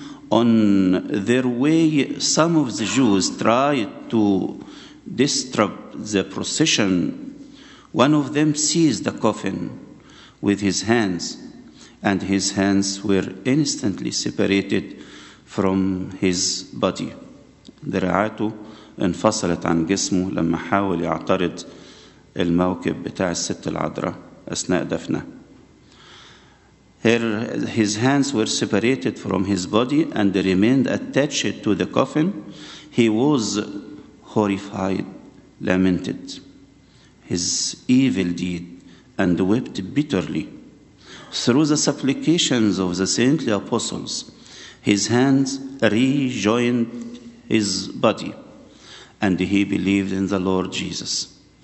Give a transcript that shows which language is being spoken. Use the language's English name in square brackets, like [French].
[English] On their way, some of the Jews tried to disrupt the procession. One of them seized the coffin with his hands, and his hands were instantly separated from his body. [Arabic] ذراعاته انفصلت عن جسمه لما حاول يعترض الموكب بتاع الست العذراء أثناء دفنه. [English] His hands were separated from his body and remained attached to the coffin. He was horrified, lamented his evil deed, and wept bitterly. Through the supplications of the saintly apostles, his hands rejoined his body, and he believed in the Lord Jesus.